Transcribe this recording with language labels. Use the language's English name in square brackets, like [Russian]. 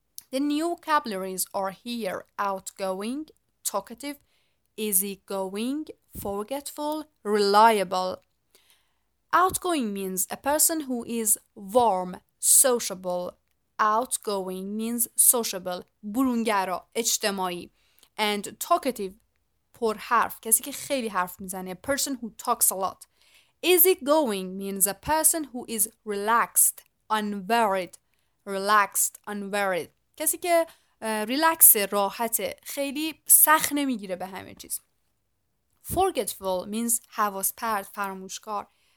[English] The new vocabularies are here. Outgoing, talkative, easygoing, forgetful, reliable. Outgoing means a person who is warm, sociable. Outgoing means sociable, [Persian] برونگرا، اجتماعی. [English] And talkative, [Persian] پرحرف، کسی که خیلی حرف میزنه. [English] A person who talks a lot. Easygoing means a person who is relaxed, unworried. Relaxed, unworried. [Persian] کسی که ریلکسه، راحته، خیلی سخت نمیگیره به همه چیز. [English] Forgetful means [Persian] حواس‌پرت، فراموشکار.